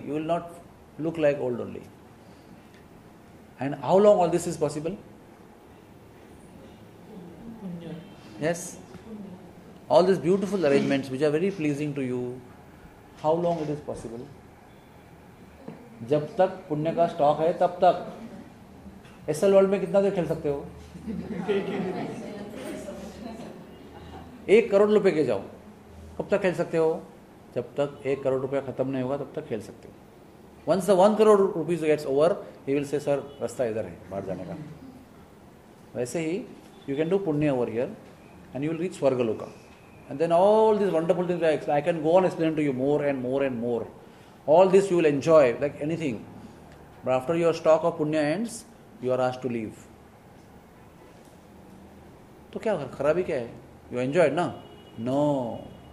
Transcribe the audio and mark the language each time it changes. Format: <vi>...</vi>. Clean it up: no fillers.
<en>You will not look like old only. And how long all this is possible? Yes? All these beautiful arrangements, which are very pleasing to you, how long it is possible?</en> <hi>जब तक पुण्य का stock है तब तक SL world में कितना देर खेल सकते हो एक करोड़ रुपए के जाओ कब तक खेल सकते हो जब तक एक करोड़ रुपया खत्म नहीं होगा तब तक खेल सकते हो</hi> <en>once the one crore rupees gets over he will say sir</en> <hi>रास्ता इधर है बाहर जाने का वैसे ही</hi> <en>You can do punya over here and you will reach Swargaloka And then all these wonderful things, I can go on explaining to you more and more and more. All this you will enjoy, like anything. But after your stock of punya ends, you are asked to leave.</en> <hi>So kya kharabi kya hai?</hi> <en>You enjoyed,</en> <hi>na? No.</hi>